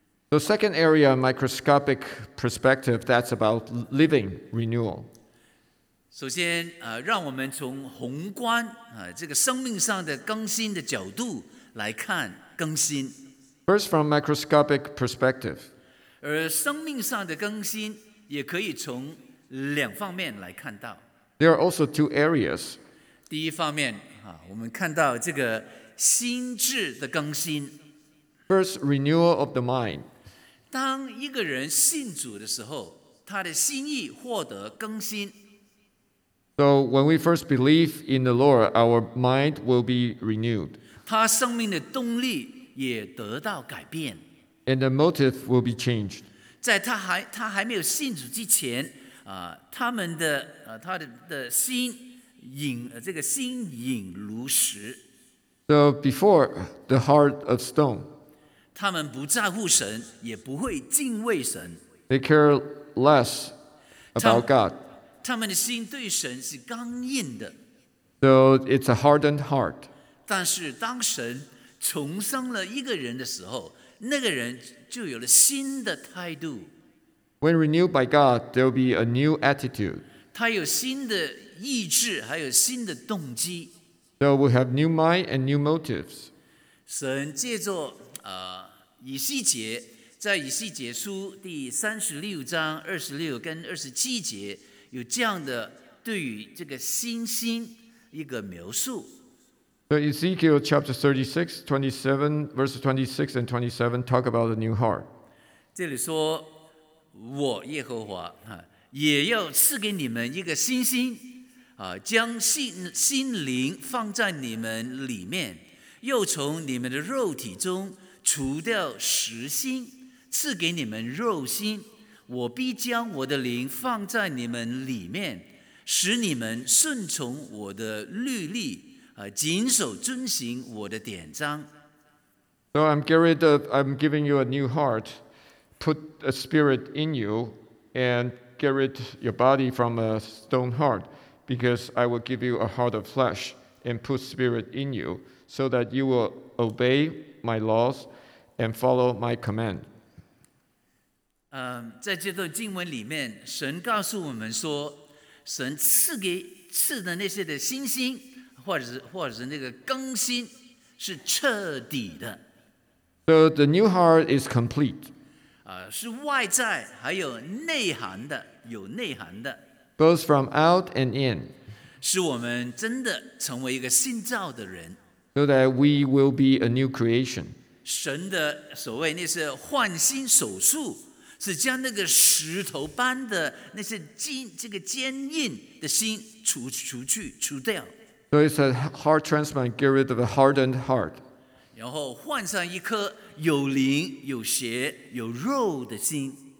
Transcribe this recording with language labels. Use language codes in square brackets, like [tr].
[en] The second area, microscopic perspective, that's about living renewal. [zh] 首先，让我们从宏观这个生命上的更新的角度来看更新。 [en] First, from microscopic perspective. [zh] 而生命上的更新也可以从两方面来看到。 [en] There are also two areas. [zh] 第一方面，我们看到这个心智的更新。 [en] First, renewal of the mind. [zh] 当一个人信主的时候，他的心意获得更新。 [en] So when we first believe in the Lord, our mind will be renewed. [zh] 他生命的动力也得到改变。 [en] And the motive will be changed. [zh] 在他还没有信主之前，他们的他的心隐这个心隐如石。 [en] So before the heart of stone. [zh] 他们不在乎神，也不会敬畏神。 [en] They care less about God. [zh] 他们的心对神是刚硬的。 [en] So it's a hardened heart. [zh] 但是当神重生了一个人的时候，那个人就有了新的态度。 [en] When renewed by God, there will be a new attitude. [zh] 他有新的意志，还有新的动机。 [en] So we have new mind and new motives. [zh] 神借着以西结，在以西结书第36章26跟27节有这样的对于这个新心一个描述。 [en] So Ezekiel chapter 36, 27, verses 26 and 27 talk about the new heart. [zh] 这里说我耶和华也要赐给你们一个新心，将心灵放在你们里面，又从你们的肉体中除掉石心，赐给你们肉心。我必将我的灵放在你们里面，使你们顺从我的律例，谨守遵行我的典章。 [en] So I'm giving you a new heart. Put a spirit in you, and get rid your body from a stone heart, because I will give you a heart of flesh and put spirit in you, so that you will obey my laws and follow my command. [zh] 在这段经文里面，神告诉我们说，神赐的那些的新心，或者是那个更新，是彻底的。 [en] So the new heart is complete. [zh] 是外在还有内涵的，有内涵的。 [en] Both from out and in. [zh] 使我们真的成为一个新造的人。 [en] So that we will be a new creation. [zh] 神的所谓那些换心手术。是将那个石头般的那些这个坚硬的心除掉。 [en] So it's a heart transplant, get rid of a hardened heart. [zh] 然后换上一颗有灵、有血、有肉的心。